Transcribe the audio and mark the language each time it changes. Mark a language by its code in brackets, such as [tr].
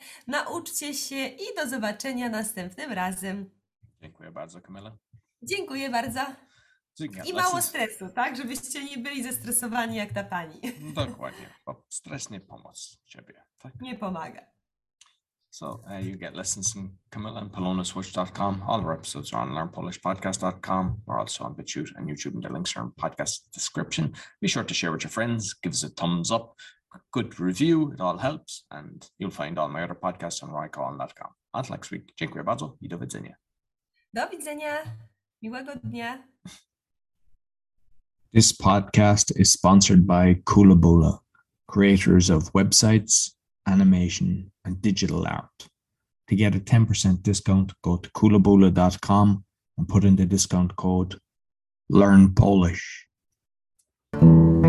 [pl] Nauczcie się i do zobaczenia następnym razem. Dziękuję bardzo, Kamila. Dziękuję bardzo. I mało stresu, tak? Żebyście nie byli zestresowani jak ta pani. Dokładnie, bo stres nie pomóc ciebie, tak? Nie pomaga. [en] So, you get lessons from Kamila and PolonaSwitch.com. All our episodes are on LearnPolishPodcast.com. We're also on BitChute and YouTube, and the links are in podcast description. Be sure to share with your friends, give us a thumbs up, good review, it all helps, and you'll find all my other podcasts on RoyCollin.com. Until next week, [pl] dziękuję bardzo i do widzenia. Do widzenia. Miłego dnia. [en] This podcast is sponsored by Koolaboola, creators of websites, animation, and digital art. To get a 10% discount, go to koolaboola.com and put in the discount code LearnPolish.